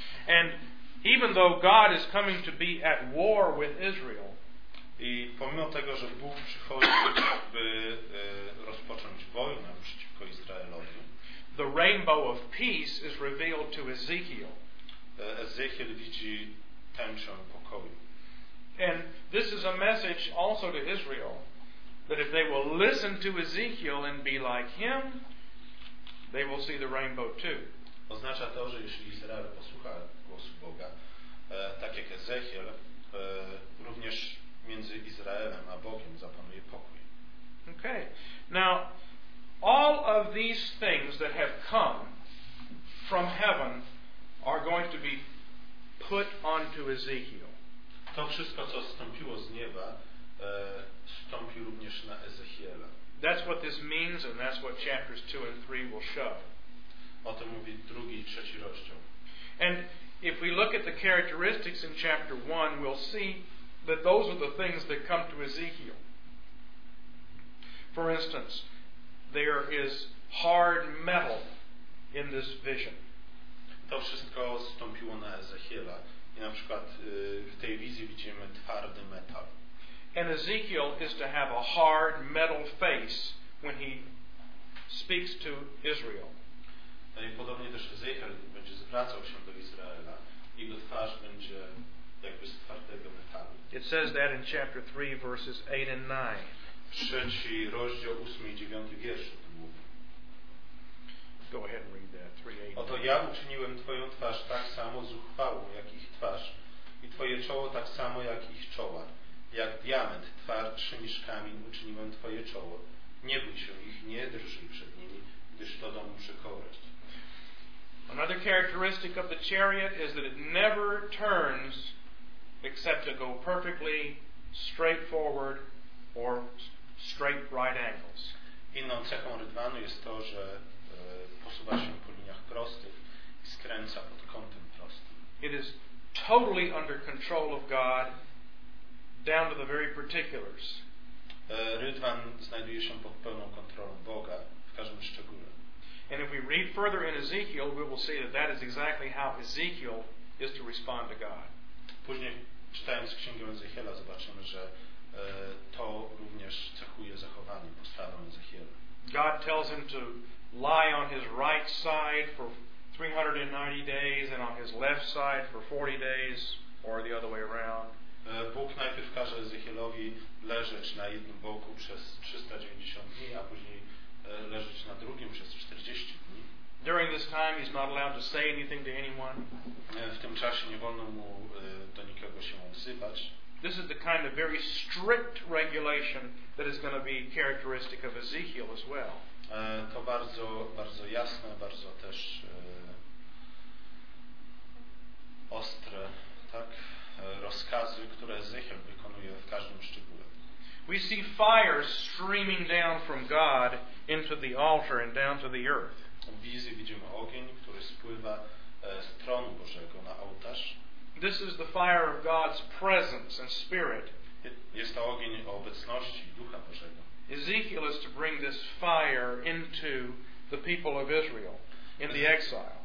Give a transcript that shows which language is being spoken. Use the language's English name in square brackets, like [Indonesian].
[English] And even though God is coming to be at war with Israel, [Polish] i pomimo tego, że Bóg przychodzi, by rozpocząć wojnę przeciwko Izraelowi, [English] the rainbow of peace is revealed to Ezekiel. [Polish] Ezekiel widzi tęczę pokoju. [English] And this is a message also to Israel, that if they will listen to Ezekiel and be like him, they will see the rainbow too. [Polish] Oznacza to, że jeśli Izrael posłucha głosu Boga, tak jak Ezechiel, również między Izraelem a Bogiem zapanuje pokój. [English] Okay. Now, all of these things that have come from heaven are going to be put onto Ezekiel. [Polish] To wszystko, co zstąpiło z nieba, zstąpi również na Ezechiela. [English] That's what this means, and that's what chapters 2 and 3 will show. [Polish] O tym mówi drugi i trzeci rozdział. [English] And if we look at the characteristics in chapter 1, we'll see that those are the things that come to Ezekiel. For instance, there is hard metal in this vision. [Polish] To wszystko zstąpiło na Ezechiela. I na przykład w tej wizji widzimy twardy metal. [English] And Ezekiel is to have a hard metal face when he speaks to Israel. [Polish] No i podobnie też Ezekiel będzie zwracał się do Izraela. Jego twarz będzie jakby z twardego metalu. [English] It says that in chapter 3, verses 8 and 9. [Polish] Trzeci rozdział, 8 i 9 wiersz o tym mówi. [English] Go ahead and read that. 3, 8. [Polish] Oto ja uczyniłem twoją twarz tak samo zuchwałą jak ich twarz i twoje czoło tak samo jak ich czoła. Jak diament twardszy niż kamień uczyniłem twoje czoło. Nie bój się ich, nie drży przed nimi, gdyż to dom przykory. [English] Another characteristic of the chariot is that it never turns except to go perfectly straight forward or straight right angles. [Polish] Inną cechą rydwanu jest to, że posuwa się po liniach prostych i skręca pod kątem prostym. [English] It is totally under control of God, down to the very particulars. [Polish] Rydwan znajduje się pod pełną kontrolą Boga w każdym szczególe. [English] And if we read further in Ezekiel, we will see that that is exactly how Ezekiel is to respond to God. [Polish] Później, czytając księgę Ezechiela, zobaczymy, że to również cechuje zachowanie, postawę Ezechiela. [English] God tells him to lie on his right side for 390 days and on his left side for 40 days, or the other way around. [Polish] Bóg najpierw każe Ezechielowi leżeć na jednym boku przez 390 dni, a później leżeć na drugim przez 40 dni. [English] During this time he's not allowed to say anything to anyone. [Polish] W tym czasie nie wolno mu do nikogo się odzywać. [English] This is the kind of very strict regulation that is going to be characteristic of Ezekiel as well. [Polish] To bardzo, bardzo jasne, bardzo też ostre, tak? Rozkazy, które Ezechiel wykonuje w każdym szczególe. [English] We see fire streaming down from God into the altar and down to the earth. [Polish] W wizji widzimy ogień, który spływa z tronu Bożego na ołtarz. [English] This is the fire of God's presence and spirit. [Polish] Jest to ogień obecności Ducha Bożego. [English] Ezekiel is to bring this fire into the people of Israel in the exile.